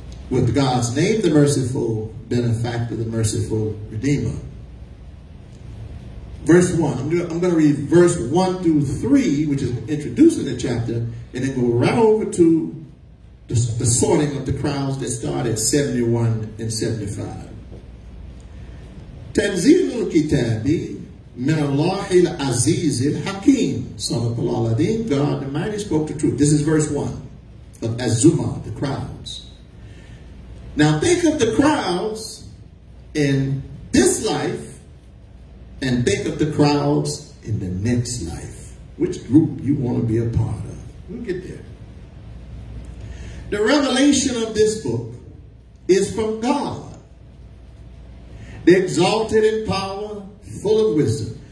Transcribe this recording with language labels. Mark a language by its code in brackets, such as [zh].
[en] With God's name, the merciful, benefactor, the merciful, redeemer. Verse 1, I'm going to read verse 1 through 3, which is introducing the chapter, and then go right over to the sorting of the crowds that start at 71 and 75. [ar] تنزيل الكتاب من الله العزيز الحكيم صلى الله عليه وسلم. [en] God, the mighty, spoke the truth. This is verse 1 of Az-Zumah, the crowds. Now think of the crowds in this life and think of the crowds in the next life. Which group you want to be a part of? We'll get there. The revelation of this book is from God, the exalted in power, full of wisdom.